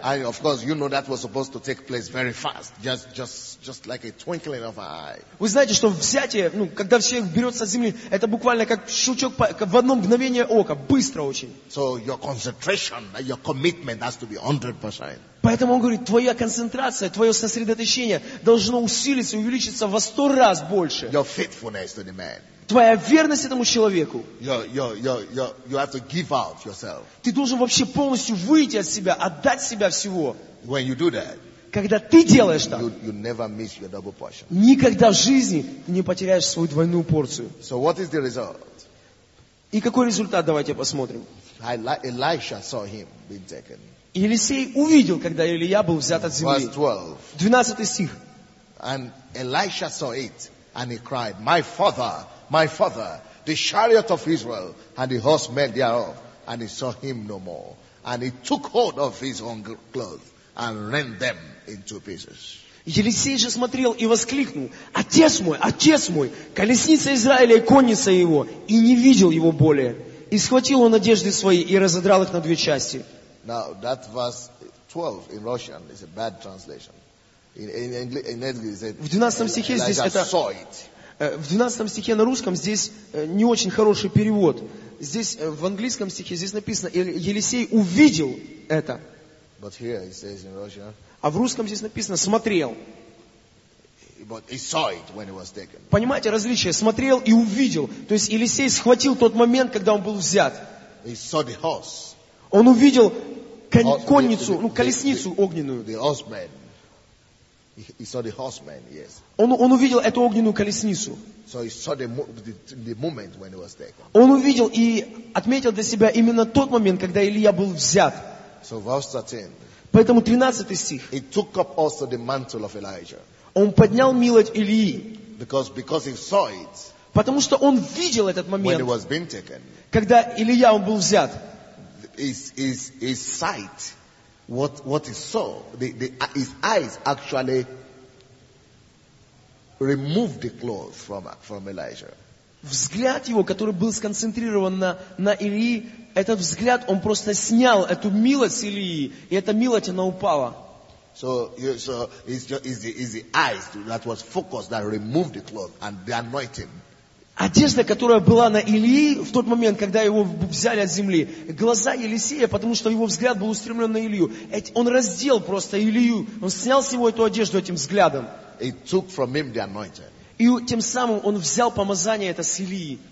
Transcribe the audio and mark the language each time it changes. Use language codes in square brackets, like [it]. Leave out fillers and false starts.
[en] and of course you know that was supposed to take place very fast, just like a twinkling of an eye. [ru] Вы знаете, что взятие, ну, когда человек берется с земли, это буквально как щелчок в одно мгновение ока, быстро очень. [en] So your concentration, your commitment has to be 100%. [ru] Поэтому он говорит, твоя концентрация, твое сосредоточение должно усилиться, увеличиться во 100 раз больше. [en] Your faithfulness to the man. [ru] Твоя верность этому человеку. [en] You have to give out yourself. [ru] Ты должен вообще полностью выйти от себя, отдать себя всего. [en] When you do that, [ru] когда ты делаешь так, [en] you never miss your double portion. [ru] Никогда в жизни ты не потеряешь свою двойную порцию. [en] So what is the result? [ru] И какой результат, давайте посмотрим. [en] Elisha saw him being taken. [ru] Елисей увидел, когда Илия был взят от земли. [en] Verse 12. [ru] 12 стих. [en] And Elisha saw it, and he cried, my father, my father, the chariot of Israel, and the horsemen thereof, and he saw him no more. And he took hold of his own clothes, and rent them in two pieces. [ru] Елисей же смотрел и воскликнул, отец мой, колесница Израиля и конница его, и не видел его более. И схватил он одежды свои, и разодрал их на две части. [en] Now that verse 12 in Russian is a bad translation. In English, it said, [ru] в 12 стихе здесь это. В 12 стихе на русском здесь не очень хороший перевод. Здесь в английском стихе здесь написано, Елисей увидел это. [en] But here it says in Russian, [ru] а в русском здесь написано смотрел. [en] But he saw it when it was taken. [ru] Понимаете различие? Смотрел и увидел. То есть Елисей схватил тот момент, когда он был взят. [en] He saw the horse. [ru] Он увидел конницу, ну колесницу огненную. [en] The horseman. He saw the horseman, yes. [ru] Он увидел эту огненную колесницу. [en] So he saw the moment when it was taken. [ru] Он увидел и отметил для себя именно тот момент, когда Илия был взят. [en] So verse 13. [ru] Поэтому 13 стих. [en] He took up also the mantle of Elijah. [ru] Он поднял милость Илии. [en] Because he saw it. [ru] Потому что он видел этот момент. [en] When it was being taken. [ru] Когда Илия он был взят. [en] His sight. What he saw, his eyes actually removed the clothes from Elijah. [ru] Взгляд его, который был сконцентрирован на Илии, этот взгляд, он просто снял эту милость Илии, и эта милость, она упала. [en] So it's the eyes that was focused that removed the clothes and the anointing. [ru] Одежда, которая была на Илии в тот момент, когда его взяли от земли, глаза Елисея, потому что его взгляд был устремлен на Илию. Он раздел просто Илию. Он снял с него эту одежду этим взглядом. [en] He took from him the anointing. [ru] И тем самым он взял помазание это с Илии.